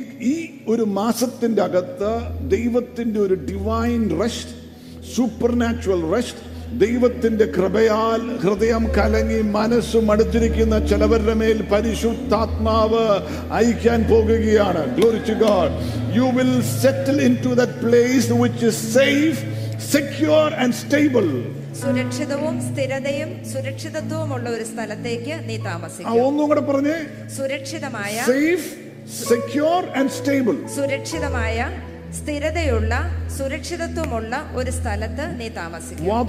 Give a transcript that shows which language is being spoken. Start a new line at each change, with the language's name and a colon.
Malayalam: ഈ ഒരു മാസത്തിന്റെ അകത്ത് ദൈവത്തിന്റെ ഒരു ഡിവൈൻ റെസ്റ്റ്, സൂപ്പർനാച്ചുറൽ റെസ്റ്റ്, ദൈവത്തിന്റെ കൃപയാൽ ഹൃദയം കലങ്ങി മനസ്സും മടുത്തിരിക്കുന്ന ചിലവരുടെ മേൽ പരിശുദ്ധാത്മാവ് അയക്കാൻ പോകുകയാണ്.
English: Glory to God. You will settle into that place which is safe, secure and stable.
Malayalam: സുരക്ഷിതവും സ്ഥിരതയും സുരക്ഷിതത്വവും ഉള്ള ഒരു സ്ഥലത്തേക്ക് നീ താമസിക്കും. ആ ഒന്നും കൂടെ പറഞ്ഞേ. സുരക്ഷിതമായ,
English: Safe, secure and stable.
Malayalam: സുരക്ഷിതമായ, സ്ഥിരതയുള്ള, സുരക്ഷിതത്വമുള്ള ഒരു സ്ഥലത്ത് നീ താമസിക്കും.